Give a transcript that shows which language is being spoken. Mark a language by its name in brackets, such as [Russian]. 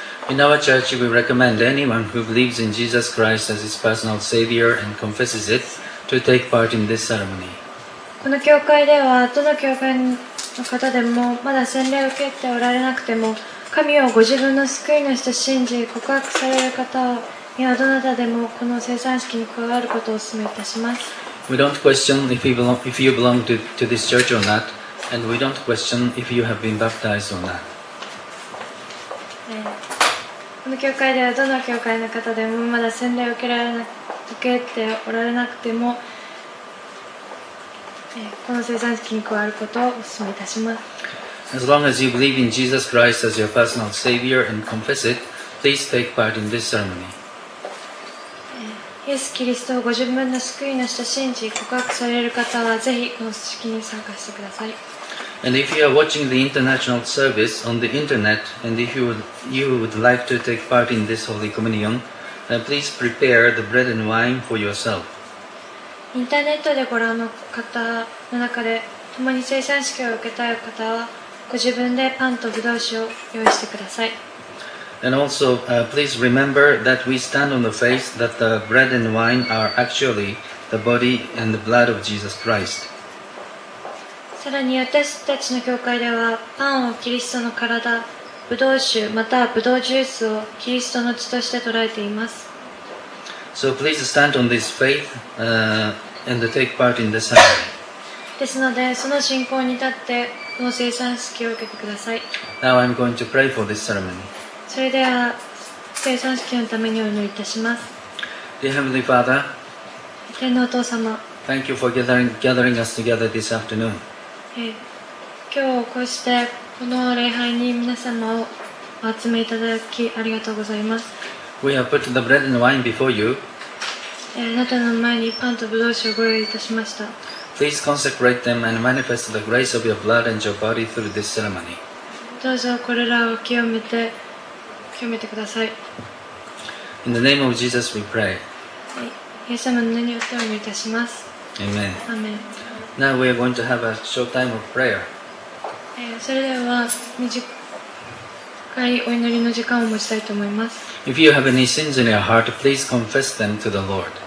[English] In our church, we recommend anyone who believes in Jesus Christ as his personal Savior and confesses it to take part in this ceremony. [Japanese] この教会ではどの教会の方でもまだ洗礼を受けておられなくても神をご自分の救い主と信じ告白される方にはどなたでもこの聖餐式に加わることをお勧めいたします。 [English] We don't question if you belong to this church or not, and we don't question if you have been baptized or not. [Japanese] この教会ではどの教会の方でもまだ洗礼を受けておられなくてもこの聖餐式に加わることをお勧めいたします。 [English] As long as you believe in Jesus Christ as your personal Savior and confess it, please take part in this ceremony. [Japanese] イエス・キリストをご自分の救い主と信じ告白される方はぜひこの式に参加してください。 [English] And if you are watching the international service on the internet, and if you would like to take part in this Holy Communion, then please prepare the bread and wine for yourself. [Japanese] インターネットでご覧の方の中で共に聖餐式を受けたい方はご自分でパンとブドウ酒を用意してください。 [English] And also, please remember that we stand on the faith that the bread and wine are actually the body and the blood of Jesus Christ. [Japanese] さらに私たちの教会では、パンをキリストの体、ブドウ酒またはブドウジュースをキリストの血として捉えています。 [English] So please stand on this faith, and take part in this ceremony. [Japanese] ですので、その信仰に立って、この聖餐式を受けてください。 [English] Now I'm going to pray for this ceremony. [Japanese] それでは聖餐式のためにお祈りいたします。 [English] Dear Heavenly Father, [Japanese] 天のお父様、 [English] Thank you for gathering us together this afternoon. [Japanese] 今日こうしてこの礼拝に皆様をお集めいただきありがとうございます。 [English] We have put the bread and wine before you. [Japanese] あなたの前にパンとブドウ酒をご用意いたしました。 [English] Please consecrate them and manifest the grace of your blood and your body through this ceremony. [Japanese] どうぞこれらを清めてください。 [English] In the name of Jesus we pray. [Japanese] イエス様の名によってお祈りいたします。 [English] Amen. Amen. Now we are going to have a short time of prayer. [Japanese] それでは短いお祈りの時間を持ちたいと思います。 [English] If you have any sins in your heart, please confess them to the Lord.